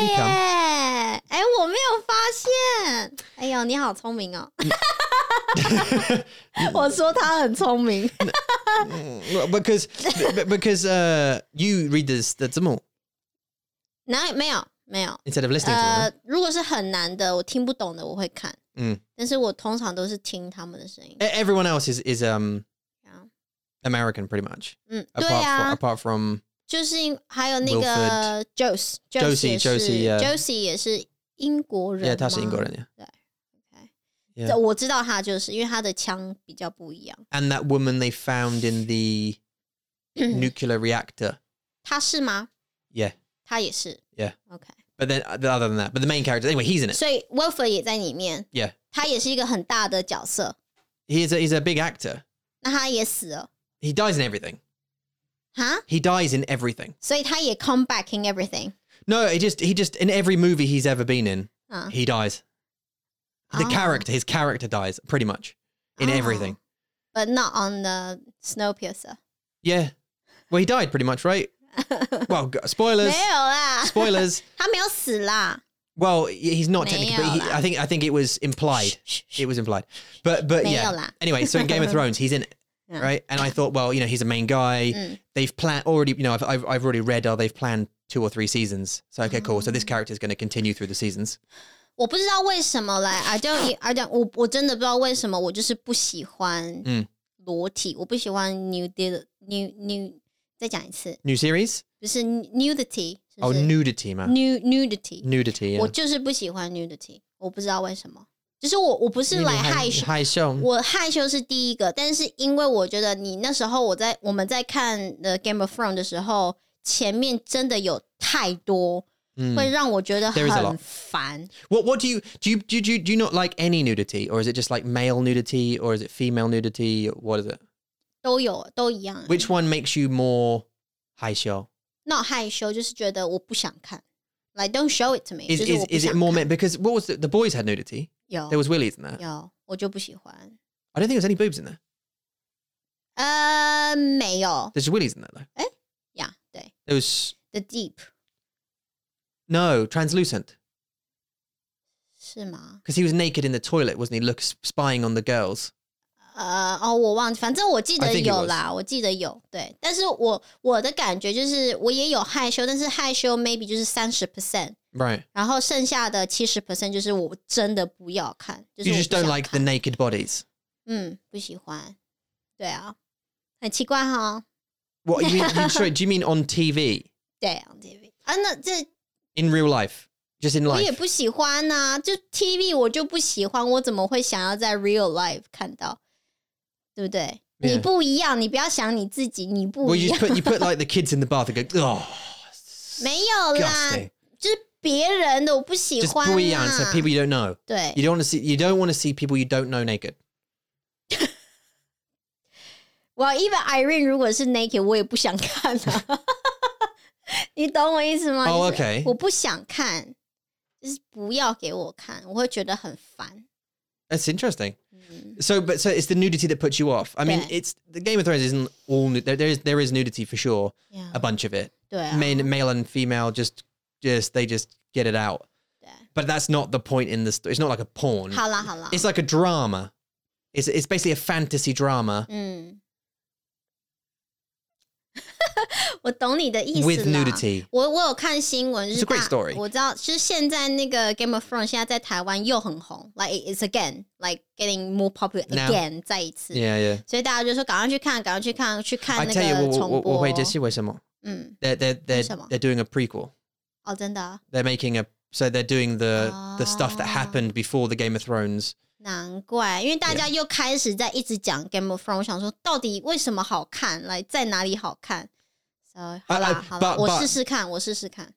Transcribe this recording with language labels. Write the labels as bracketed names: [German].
[Chinese] 对耶。哎，我没有发现。哎呦，你好聪明哦。我说他很聪明。 [English] Because you read this, the [Chinese] 字幕. [English] No, [Chinese] 没有没有 [English] Instead of listening to them. [Chinese] 如果是很难的，我听不懂的，我会看。但是我通常都是听他们的声音。 [English] Everyone else is American, pretty much. [Chinese] 嗯，对啊。 [English] Apart from [Chinese] 就是还有那个 Josie 也是英国人。 [English] Yeah, [Chinese] 他是英国人。对。 [English] Yeah. [Chinese] 我知道他就是因为他的枪比较不一样。 [English] And that woman they found in the nuclear reactor. [Chinese] 他是吗? [English] Yeah. [Chinese] 他也是。 [English] Yeah. Okay. But then other than that, but the main character, anyway, he's in it. [Chinese] 所以 Wilford 也在里面。 [English] Yeah. [Chinese] 他也是一个很大的角色。 [English] He's a big actor. [Chinese] 那他也死了。 [English] He dies in everything. Huh? He dies in everything. [Chinese] 所以他也 [English] come back in everything. No, he just, in every movie he's ever been in, he dies. The character, his character dies pretty much in everything. But not on the Snowpiercer. Yeah. Well, he died pretty much, right? Well, spoilers. [Chinese] 没有啦。 [English] Spoilers. [Chinese] 他没有死啦。 [English] Well, he's not technically, but I think it was implied. It was implied. But yeah. [Chinese] 没有啦。 [English] Anyway, so in Game of Thrones, he's in it, right? And I thought, well, you know, he's a main guy. They've planned already, you know, I've already read, they've planned 2 or 3 seasons. So, okay, cool. So this character is going to continue through the seasons. [Chinese] 我不知道为什么 [English] like, I don't [Chinese] 我真的不知道为什么我就是不喜欢裸体，我不喜欢 nudity 再讲一次 [English] New series? [Chinese] 不是 nudity 哦、oh, nudity 吗 [English] nudity nudity、yeah. [Chinese] 我就是不喜欢 nudity， 我不知道为什么，就是我不是来害羞，害羞，我害羞是第一个，但是因为我觉得你那时候我们在看 The Game of Thrones 的时候，前面真的有太多，会让我觉得很烦。 [English] What do you not like any nudity, or is it just like male nudity, or is it female nudity? What is it? [Chinese] 都有，都一样。 [English] Which one makes you more [Chinese] 害羞？ [English] Not [Chinese] 害羞，就是觉得我不想看。 [English] Like don't show it to me. Is it more male? Because what was the boys had nudity? Yeah, there was willies in there. Yeah, [Chinese] 我就不喜欢。 [English] I don't think there's any boobs in there. [Chinese] 没有。 [English] There's willies in there though. 哎 ，Yeah, [Chinese] 对。 [English] There was the deep. No, translucent. [Chinese] 是吗? [English] Because he was naked in the toilet, wasn't he? Look, spying on the girls. [Chinese] 我忘记，反正我记得有啦，我记得有，对。但是我的感觉就是我也有害羞，但是害羞 maybe 就是 30%. [English] Right. [Chinese] 然后剩下的 70% 就是我真的不要看。 [English] You just don't like the naked bodies. [Chinese] 不喜欢。对啊。很奇怪齁。 [English] What, do you mean on TV? [Chinese] 对, [English] on TV. [Chinese] 那这 [English] In real life, just in life. [Chinese] 我也不喜欢啊，就 TV 我就不喜欢，我怎么会想要在 real life 看到，对不对？ [English] Yeah. [Chinese] 你不一样，你不要想你自己，你不一样。 [English] Well, you put like the kids in the bath and go, oh, [Chinese] 没有啦， [English] disgusting. [Chinese] 就是别人的我不喜欢啊。 [English] Just [Chinese] 不一样， [English] so people you don't know. [Chinese] 对。 [English] You don't want to see people you don't know naked. Well, even [Chinese] Irene 如果是 naked, 我也不想看啊。你懂我意思吗？ [English] Oh, okay. [Chinese] 我不想看，就是不要给我看，我会觉得很烦。 [English] That's interesting. So it's the nudity that puts you off. I mean, it's the Game of Thrones isn't all there is nudity for sure. Yeah. A bunch of it. [Chinese] 对啊。 [English] Male and female just get it out. [Chinese] 对。 [English] But that's not the point in the story. It's not like a porn. [Chinese] 好啦好啦。 [English] It's like a drama. It's basically a fantasy drama. [Chinese] 我懂你的意思啦。 [English] With nudity. [Chinese] 我有看新闻。 [English] It's a great story. [Chinese] 我知道，就是现在那个 Game of Thrones 现在在台湾又很红。 [English] Like, it's again, like, getting more popular again, now, [Chinese] 再一次。 [English] Yeah, yeah. [Chinese] 所以大家就说赶快去看，赶快去看，去看那个重播。我会，这是为什么？ [English] They're doing a prequel. [Chinese] 哦，真的？ They're making so they're doing the stuff that happened before the Game of Thrones. 难怪，因为大家又开始在一直讲 Game of Thrones， 我想说到底为什么好看，来、 [English] like, [Chinese] 在哪里好看？ [English] So, [Chinese] 好啦好啦，我试试看，我试试看。